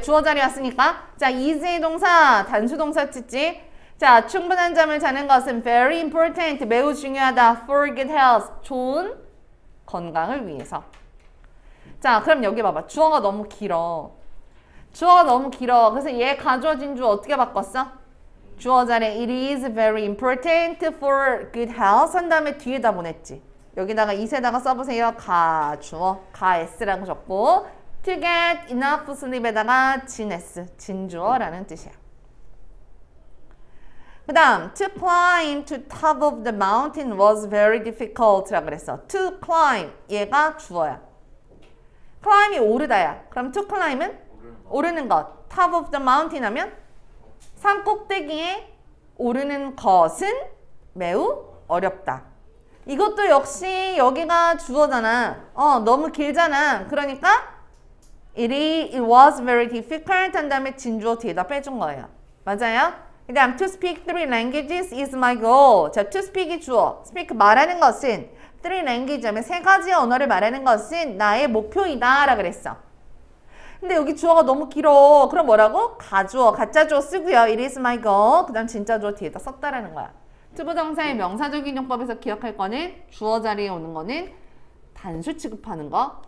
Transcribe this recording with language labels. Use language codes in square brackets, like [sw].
[ko] 주어 자리 왔으니까. 자, is 동사, 단수 동사 찍지. 자, 충분한 잠을 자는 것은 [en] very important, [ko] 매우 중요하다. [en] For good health, [ko] 좋은 건강을 위해서. 자, 그럼 여기 봐봐. 주어가 너무 길어. 주어 너무 길어. 그래서 얘 가져진 주어 어떻게 바꿨어? 주어 자리에 [en] it is very important for good health [ko] 한 다음에 뒤에다 보냈지. 여기다가 is에다가 써보세요. 가 주어. 가 s라고 적고 [en] to get enough sleep [ko] 에다가 진 s, 진주어라는 뜻이야. 그 다음 [en] to climb to top of the mountain was very difficult [ko] 라고 그랬어. to climb 얘가 주어야. climb이 오르다야. 그럼 to climb은? 오르는 것. [en] top of the mountain [ko] 하면 산 꼭대기에 오르는 것은 매우 어렵다. 이것도 역시 여기가 주어잖아. 어, 너무 길잖아. 그러니까 [en] it was very difficult [ko] 한 다음에 진주어 뒤에다 빼준 거예요. 맞아요? 그 다음 [en] to speak three languages is my goal. [ko] 자, to speak이 주어. speak 말하는 것은 [en] three languages [ko] 하면 세 가지 언어를 말하는 것은 나의 목표이다 라고 그랬어. 근데 여기 주어가 너무 길어. 그럼 뭐라고? 가주어. 가짜주어 쓰고요. [en] It is my goal. [ko] 그 다음 진짜주어 뒤에다 썼다라는 거야. 투부정사의 명사적인 용법에서 기억할 거는 주어 자리에 오는 거는 단수 취급하는 거.